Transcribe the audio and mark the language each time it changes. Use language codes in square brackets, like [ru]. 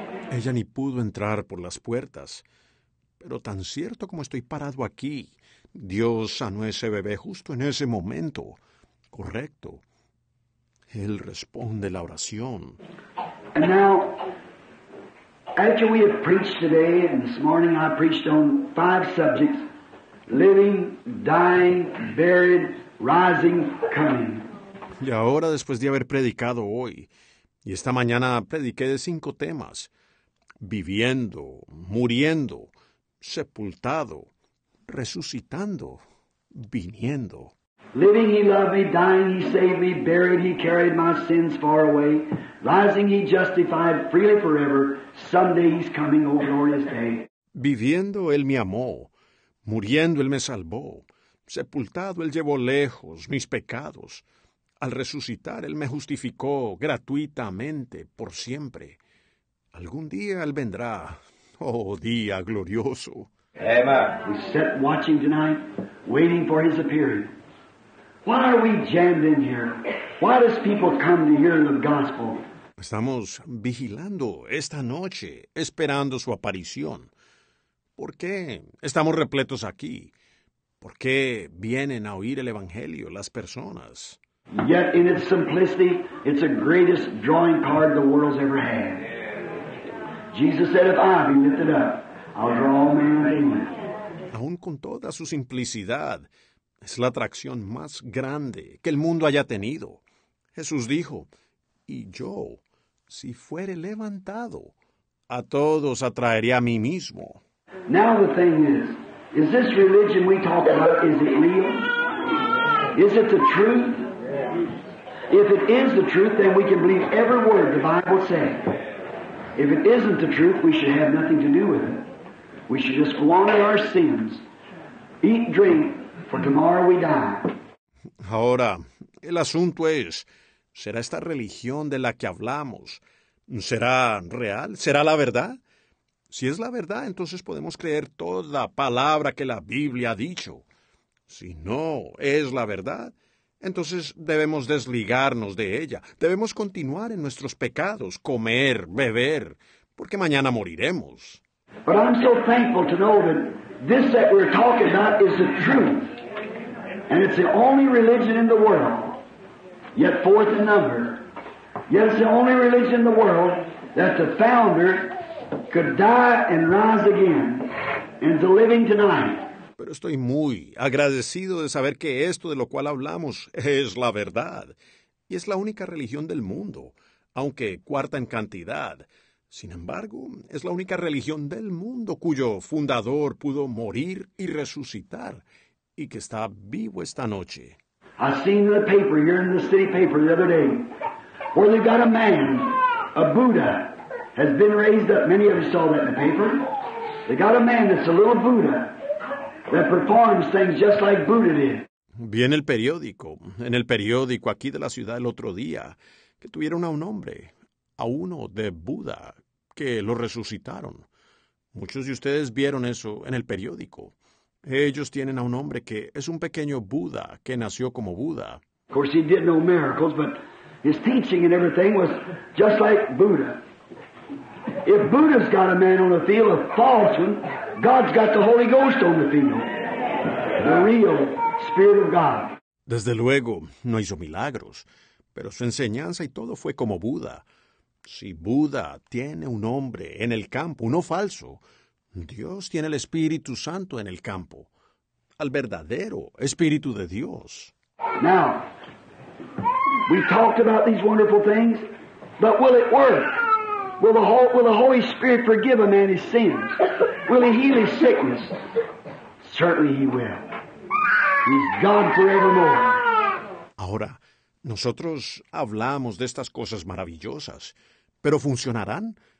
[es] Ella ni pudo entrar por las puertas. Pero tan cierto como estoy parado aquí, Dios sanó ese bebé justo en ese momento. Correcto. Él responde la oración. [en] And now, after we have preached today, and this morning I preached on five subjects, living, dying, buried, rising, coming. [es] Y ahora, después de haber predicado hoy, y esta mañana prediqué de cinco temas, viviendo, muriendo, sepultado, resucitando, viniendo. [en] Living, he loved me; dying, he saved me; buried, he carried my sins far away; rising, he justified freely forever. Someday he's coming, oh glorious day. [es] Viviendo, él me amó; muriendo, él me salvó; sepultado, él llevó lejos mis pecados; al resucitar, él me justificó gratuitamente por siempre. Algún día él vendrá. Oh, día glorioso. [en] Amen. We sat watching tonight, waiting for his appearing. Why are we jammed in here? Why does people come to hear the gospel? [es] Estamos vigilando esta noche, esperando su aparición. ¿Por qué estamos repletos aquí? ¿Por qué vienen a oír el evangelio las personas? [en] Yet in its simplicity, it's the greatest drawing card the world's ever had. Jesus said, if I be lifted up, I'll draw all men unto me. [es] con toda su simplicidad. Es la atracción más grande que el mundo haya tenido. Jesús dijo, y yo, si fuere levantado, a todos atraeré a mí mismo. [en] Now the thing is this religion we talk about, is it real? Is it the truth? If it is the truth, then we can believe every word the Bible says. If it isn't the truth, we should have nothing to do with it. We should just go on with our sins, eat, drink, for tomorrow we die. [es] Ahora, el asunto es, ¿será esta religión de la que hablamos, será real? ¿Será la verdad? Si es la verdad, entonces podemos creer toda palabra que la Biblia ha dicho. Si no es la verdad, entonces debemos desligarnos de ella. Debemos continuar en nuestros pecados, comer, beber, porque mañana moriremos. [en] But I'm so thankful to know that this that we're talking about is the truth. And it's the only religion in the world, yet fourth in number. Yet it's the only religion in the world that the founder could die and rise again and is living tonight. [es] Pero estoy muy agradecido de saber que esto de lo cual hablamos es la verdad. Y es la única religión del mundo, aunque cuarta en cantidad. Sin embargo, es la única religión del mundo cuyo fundador pudo morir y resucitar y que está vivo esta noche. [en] I seen the paper here in the city paper the other day where they got a man, a Buddha, has been raised up. Many of you saw that in the paper. They got a man that's a little Buddha. That performs things just like Buddha did. [es] Vi en el periódico aquí de la ciudad el otro día, que tuvieron a un hombre, a uno de Buda, que lo resucitaron. Muchos de ustedes vieron eso en el periódico. Ellos tienen a un hombre que es un pequeño Buda, que nació como Buda. [en] Of course he did no miracles, but his teaching and everything was just like Buddha. If Buddha's got a man on the field, a false one, God's got the Holy Ghost on the field, the real Spirit of God. [es] Desde luego, no hizo milagros, pero su enseñanza y todo fue como Buda. Si Buda tiene un hombre en el campo, uno falso, Dios tiene el Espíritu Santo en el campo, al verdadero Espíritu de Dios. [en] Now, we've talked about these wonderful things, but will it work? Will the Holy Spirit forgive a man his sins? Will he heal his sickness? Certainly he will. He's God forevermore. [es] Ahora, nosotros hablamos de estas cosas maravillosas, pero ¿funcionarán?